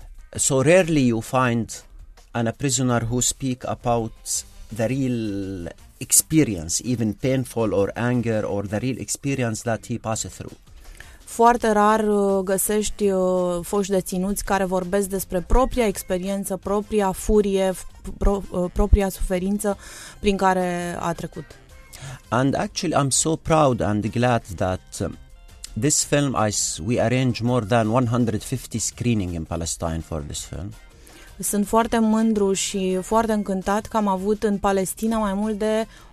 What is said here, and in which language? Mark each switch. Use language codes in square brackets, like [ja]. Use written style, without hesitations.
[en] So rarely you find a prisoner who speak about the real experience, even painful or anger or the real experience that he passes through. [ro] Foarte rar găsești foști deținuți care vorbesc despre propria experiență, propria furie, propria suferință prin care a trecut. [en] And actually I'm so proud and glad that this film, we arrange more than 150 screening in Palestine for this film. [ro] Sunt foarte mândru și foarte încântat că am avut în Palestina mai mult de